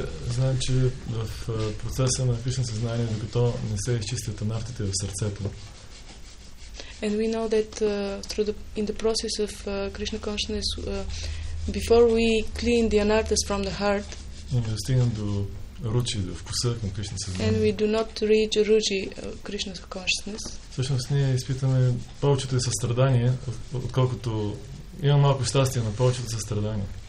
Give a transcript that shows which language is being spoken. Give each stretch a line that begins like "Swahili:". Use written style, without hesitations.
Bulgarian: Знам, че в процеса на Кришна съзнание, докато не се изчистят анартите в сърцето.
English: And we know that in the process of Krishna consciousness, before we clean the anartas from the heart,
Bulgarian: не достигнем до ручи, до вкуса към Кришна съзнание.
English: And we do not reach ruchi, Krishna consciousness.
Bulgarian: Всъщност ние изпитаме повечето състрадание, отколкото има малко щастие на повечето състрадание.